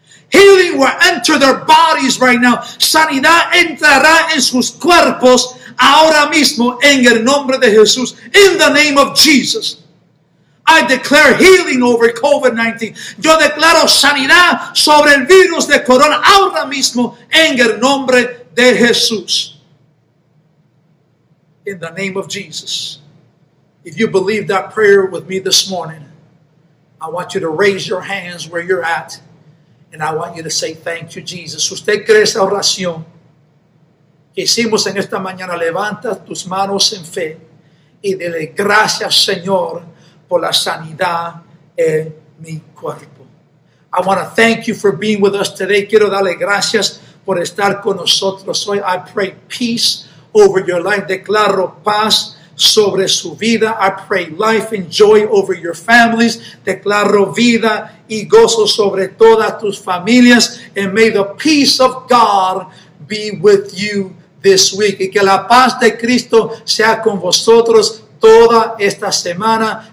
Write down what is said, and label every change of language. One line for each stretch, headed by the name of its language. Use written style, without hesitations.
English: Healing will enter their bodies right now.
Spanish: Sanidad entrará en sus cuerpos ahora mismo en el nombre de Jesús.
English: In the name of Jesus, I declare healing over COVID-19.
Spanish: Yo declaro sanidad sobre el virus de corona ahora mismo en el nombre de Jesús.
English: In the name of Jesus. If you believe that prayer with me this morning, I want you to raise your hands where you're at. And I want you to say thank you, Jesus.
Spanish: Usted cree esa oración que hicimos en esta mañana. Levanta tus manos en fe y dile gracias, Señor, por la sanidad en mi cuerpo.
English: I want to thank you for being with us today.
Spanish: Quiero darle gracias por estar con nosotros hoy.
English: I pray peace over your life.
Spanish: Declaro paz sobre su vida.
English: I pray life and joy over your families.
Spanish: Declaro vida y gozo sobre todas tus familias.
English: And may the peace of God be with you this week.
Spanish: Y que la paz de Cristo sea con vosotros toda esta semana.